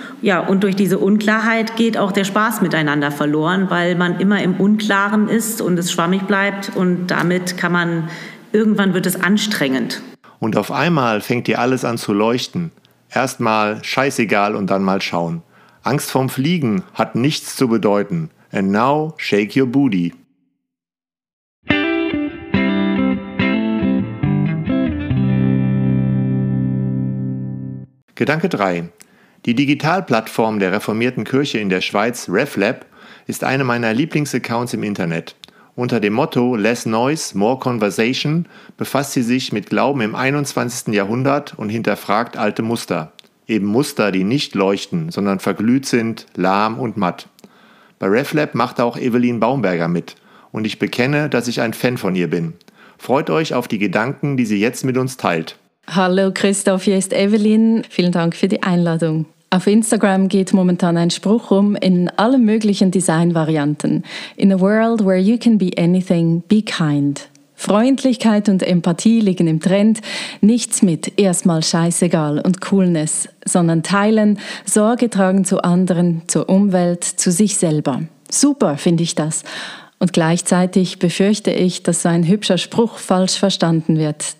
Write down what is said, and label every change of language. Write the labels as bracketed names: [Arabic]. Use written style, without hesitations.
[German] Ja, und durch diese Unklarheit geht auch der Spaß miteinander verloren, weil man immer im Unklaren ist und es schwammig bleibt und damit kann man, irgendwann wird es anstrengend. Und auf einmal fängt dir alles an zu leuchten. Erstmal scheißegal und dann mal schauen. Angst vorm Fliegen hat nichts zu bedeuten. [English] And now shake your booty. [German] Gedanke 3. Die Digitalplattform der reformierten Kirche in der Schweiz, RefLab, ist eine meiner Lieblingsaccounts im Internet. Unter dem Motto [English] Less Noise, More Conversation [German] befasst sie sich mit Glauben im 21. Jahrhundert und hinterfragt alte Muster. Eben Muster, die nicht leuchten, sondern verglüht sind, lahm und matt. Bei RefLab macht auch Evelyn Baumberger mit und ich bekenne, dass ich ein Fan von ihr bin. Freut euch auf die Gedanken, die sie jetzt mit uns teilt. Hallo Christoph, hier ist Evelyn. Vielen Dank für die Einladung. Auf Instagram geht momentan ein Spruch rum in allen möglichen Designvarianten. [English] In a world where you can be anything, be kind. [German] Freundlichkeit und Empathie liegen im Trend. Nichts mit erstmal scheißegal und Coolness, sondern teilen, Sorge tragen zu anderen, zur Umwelt, zu sich selber. Super, finde ich das. Und gleichzeitig befürchte ich, dass so ein hübscher Spruch falsch verstanden wird.